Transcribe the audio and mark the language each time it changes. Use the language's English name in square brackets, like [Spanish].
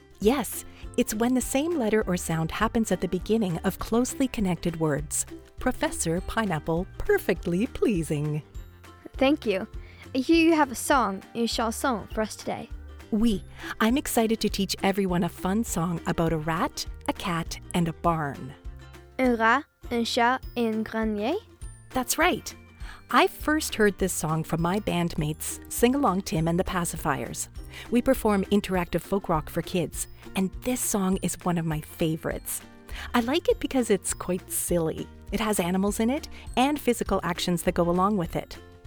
[English] Yes, it's when the same letter or sound happens at the beginning of closely connected words. Professor Pineapple, perfectly pleasing. Thank you. I hear you have a song, [French] une chanson, [English] for us today. Oui, I'm excited to teach everyone a fun song about a rat, a cat, and a barn. [French] Un rat, un chat, et un grenier? [English] That's right. I first heard this song from my bandmates, Sing-Along Tim and the Pacifiers. We perform interactive folk rock for kids, and this song is one of my favorites. I like it because it's quite silly. It has animals in it and physical actions that go along with it.